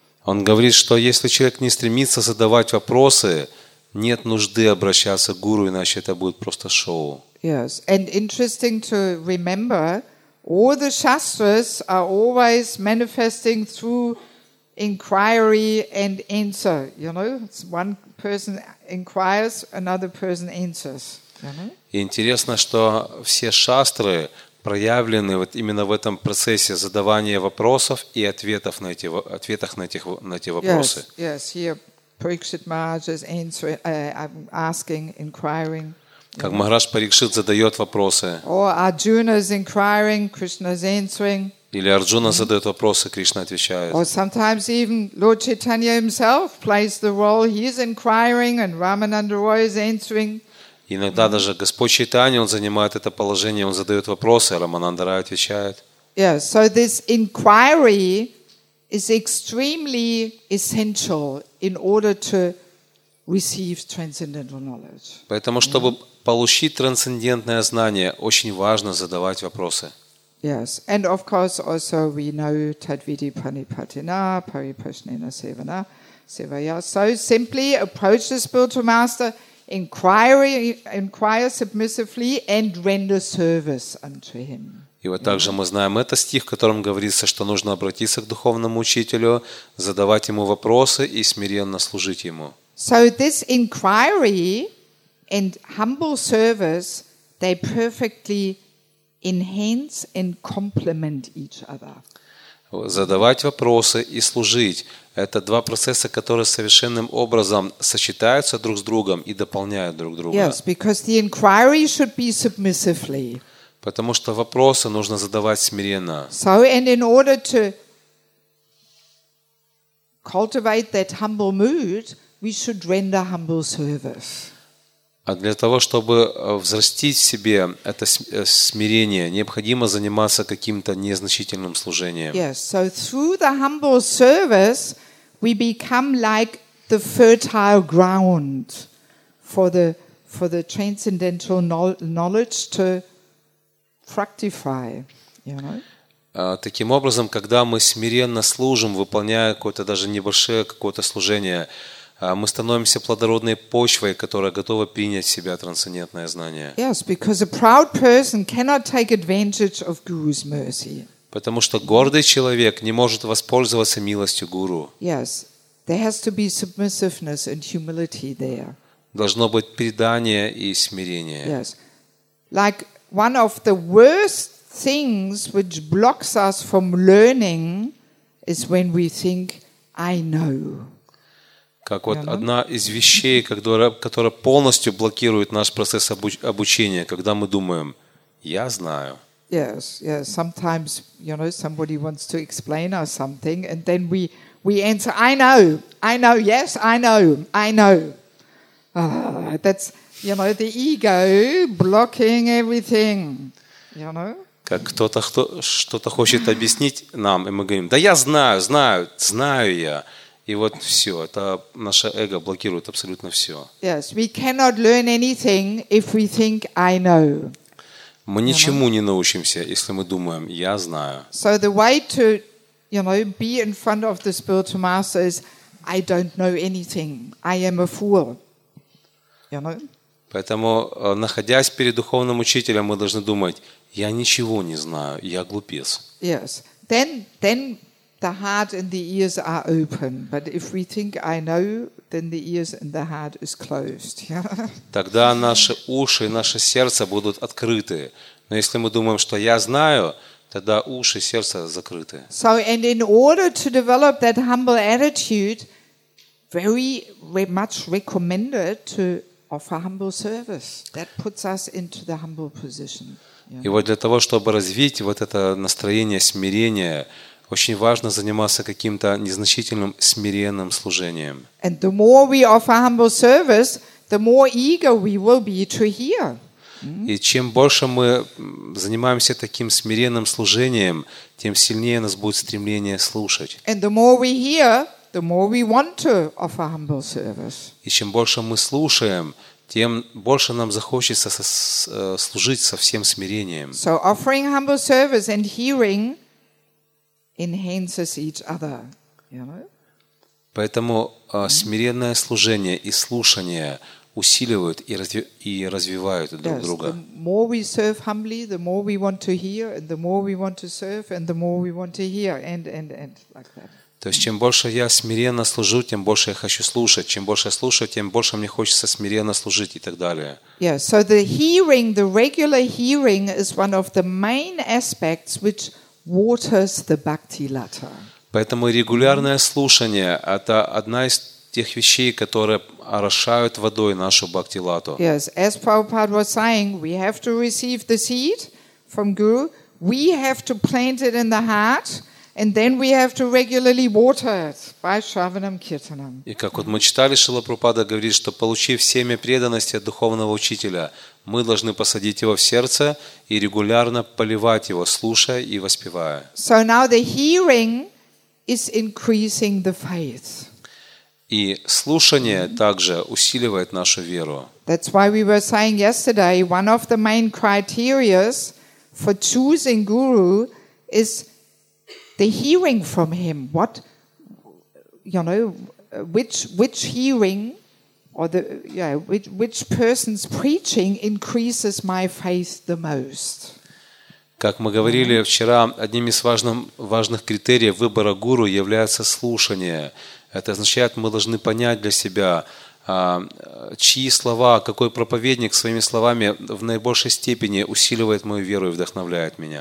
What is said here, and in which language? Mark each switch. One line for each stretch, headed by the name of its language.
Russian: Он говорит, что если человек не стремится задавать вопросы, нет нужды обращаться к гуру, иначе это будет просто шоу.
English: Yes, and interesting to remember, all the shastras are always manifesting through inquiry and answer, you know? It's one person inquires, another person answers, you know?
Russian: Интересно, что все шастры проявлены вот именно в этом процессе задавания вопросов и ответов на эти вопросы.
English: Yes, yes, yeah. Parikshit Maharaj is asking, inquiring.
Russian: Как Махарадж Парикшит задает вопросы.
English: Or Arjuna is inquiring, Krishna is answering.
Russian: Или Арджуна задает вопросы, Кришна отвечает.
English: Or sometimes even Lord Chaitanya himself plays the role. He is inquiring, and Ramananda Roy is answering.
Russian: Иногда даже Господь Чайтанья, он занимает это положение, он задает вопросы, а Рамананда Рай отвечает.
English: Yeah, so this inquiry is extremely essential in order to receive transcendental knowledge.
Russian: Поэтому, чтобы получить трансцендентное знание, очень важно задавать вопросы.
English: Yes, and of course also we know
Sanskrit: tadvidi panipatina paripashnena sevana sevaya.
English: So simply approach the spiritual master, inquire submissively and render service unto him.
Russian: И вот также мы знаем этот стих, в котором говорится, что нужно обратиться к духовному учителю, задавать ему вопросы и смиренно служить ему.
English: So this inquiry and humble service, they perfectly enhance and complement each other.
Russian: Задавать вопросы и служить – это два процесса, которые совершенным образом сочетаются друг с другом и дополняют друг друга.
English: Yes, because the inquiry should be submissively.
Russian: Потому что вопросы нужно задавать смиренно.
English: So, and in order to cultivate that humble mood, we should render humble service.
Russian: А для того, чтобы взрастить в себе это смирение, необходимо заниматься каким-то незначительным служением.
English: Yes, so through the humble service, we become like the fertile ground for the transcendental knowledge to fructify, you know?
Russian: Таким образом, когда мы смиренно служим, выполняя какое-то даже небольшое какое-то служение, мы становимся плодородной почвой, которая готова принять в себя трансцендентное знание.
English: Yes, because a proud person cannot take advantage of guru's mercy.
Russian: Потому что гордый человек не может воспользоваться милостью гуру.
English: Yes, there has to be submissiveness and humility there.
Russian: Должно быть предание и смирение.
English: Yes, like one of the worst things which blocks us from learning is when we think I know.
Russian: Как вот одна из вещей, которая полностью блокирует наш процесс обучения, когда мы думаем, я знаю.
English: Yes, yes. Sometimes, you know, somebody wants to explain us something, and then we answer, I know, yes, I know. That's, you know, the ego blocking everything, you know.
Russian: Как кто-то что-то хочет объяснить нам, и мы говорим, да я знаю, знаю, знаю я. И вот все, это наше эго блокирует абсолютно все.
English: Yes, we cannot learn anything if we think I know.
Russian: Мы ничему не научимся, если мы думаем, я знаю.
English: So the way to, you know, be in front of the spiritual master is, I don't know anything. I am a fool. You know?
Russian: Поэтому, находясь перед духовным учителем, мы должны думать, я ничего не знаю, я глупец.
English: Yes. Then the heart and the ears are open. But if we think I know, then the ears and the heart is closed.
Russian: Тогда наши уши и наше сердце будут открыты. Но если мы думаем, что я знаю, тогда уши и сердце закрыты.
English: So, and in order to develop that humble attitude, very much recommended to offer humble service. That puts us into the humble position.
Russian: И вот для того, чтобы развить вот это настроение смирения, очень важно заниматься каким-то незначительным смиренным служением.
English: And the more we offer humble service, the more eager we will be to hear.
Russian: И чем больше мы занимаемся таким смиренным служением, тем сильнее у нас будет стремление слушать.
English: And the more we hear, the more we want to offer humble service.
Russian: И чем больше мы слушаем, тем больше нам захочется служить со всем смирением.
English: So offering humble service and hearing enhances each other. You know?
Russian: Поэтому смиренное служение и слушание усиливают и развивают друг друга.
English: The more we serve humbly, the more we want to hear, and the more we want to serve, and the more we want to hear, and like that.
Russian: То есть, чем больше я смиренно служу, тем больше я хочу слушать. Чем больше я слушаю, тем больше мне хочется смиренно служить и так далее.
English: Yeah, so the hearing, the regular hearing is one of the main aspects which waters the bhakti lata.
Russian: Поэтому регулярное слушание – это одна из тех вещей, которые орошают водой нашу бхакти лату.
English: Yes, as Prabhupada was saying, we have to receive the seed from Guru, we have to plant it in the heart, and then we have to regularly water it by shravanam kirtanam.
Russian: И как вот мы читали, Шрила Прабхупада говорит, что получив семя преданности от духовного учителя, мы должны посадить его в сердце и регулярно поливать его, слушая и воспевая.
English: So now the hearing is increasing the faith.
Russian: И слушание также усиливает нашу веру.
English: That's why we were saying yesterday, one of the main criteria for choosing guru is the hearing from him. What, you know, which hearing or the, yeah, which person's preaching increases my faith the most?
Russian: Как мы говорили вчера, одним из важных критериев выбора гуру является слушание. Это означает, мы должны понять для себя, чьи слова, какой проповедник своими словами в наибольшей степени усиливает мою веру и вдохновляет меня.